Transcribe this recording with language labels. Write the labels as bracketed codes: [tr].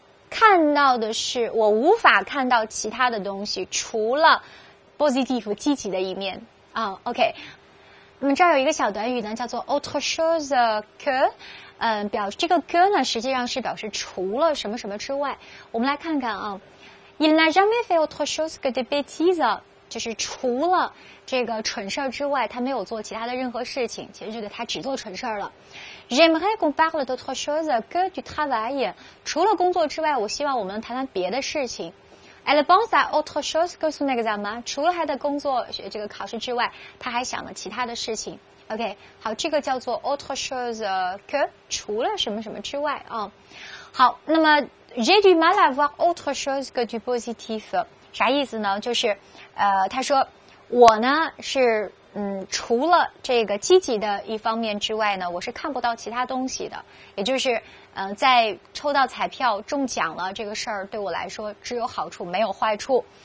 [zh] 看到的是我无法看到其他的东西除了 positive 积极的一面啊、OK 那么这儿有一个小短语呢叫做 autre chose que 表这个 que 呢实际上是表示除了什么什么之外我们来看看啊 [fr] il n'a jamais fait autre chose que des bêtises [zh] 就是除了这个蠢事之外他没有做其他的任何事情其实这个他只做蠢事了 [fr] J'aimerais qu'on parle d'autre chose que du travail. [zh] 除了工作之外，我希望我们谈谈别的事情。 [fr] Elle pense à autre chose que son examen. [zh] 除了他的工作这个考试之外，他还想了其他的事情。 OK， 好，这个叫做 autre chose que 除了什么什么之外啊。好，那么 [fr] j'ai du mal à voir autre chose que du positif. [zh] 啥意思呢？就是他说我呢是。除了这个积极的一方面之外呢，我是看不到其他东西的。也就是，在抽到彩票中奖了这个事儿，对我来说只有好处没有坏处。